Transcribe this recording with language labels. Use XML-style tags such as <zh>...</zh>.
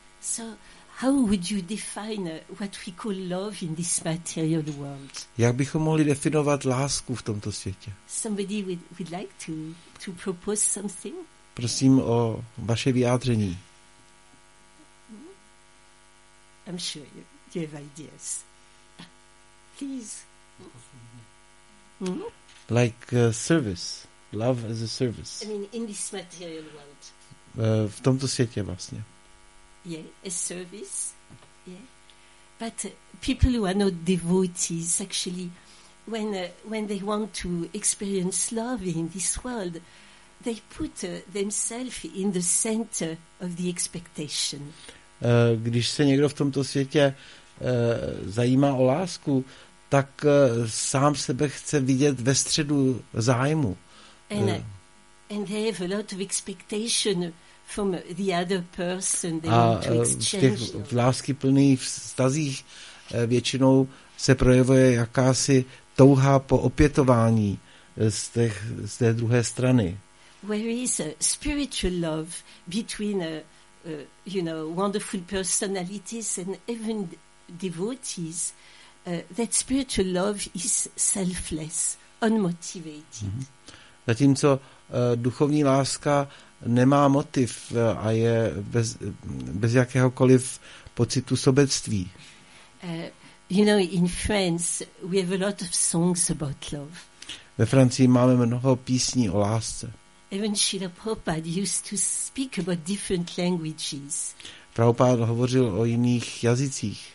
<en>So how would you define what we call love in this material world?</en> <cs>Jak bychom mohli definovat lásku v tomto světě?</cs> <en>Somebody would like to propose something?</en> <cs>Prosím o vaše vyjádření.</cs> <en>I'm sure you have ideas. Please. Like service. Love as a service. I mean, in this material world.</en> <cs>V tomto světě vlastně.</cs> <en>Yeah, a service. Yeah. But people who are not devotees, actually, when they want to experience love in this world, they put themselves in the center of the expectation.</en> <cs>Když se někdo v tomto světě zajímá o lásku, tak sám sebe chce vidět ve středu zájmu.</cs> <en>And they have a lot of expectation from the other person they want to exchange.</en> <cs>A v lásky plných vztazích většinou se projevuje jakási touha po opětování z té druhé strany.</cs> <en>Where is a spiritual love between wonderful personalities and even devotees, that spiritual love is selfless, unmotivated.</en> <cs>Zatímco duchovní láska nemá motiv a je bez jakéhokoliv pocitu sobectví.</cs> <en>In France we have a lot of songs about love.</en> <cs>Ve Francii máme mnoho písní o lásce.</cs> <en>Even Srila Prabhupada used to speak about different languages.</en> <cs>Prabhupada hovořil o jiných jazycích.</cs>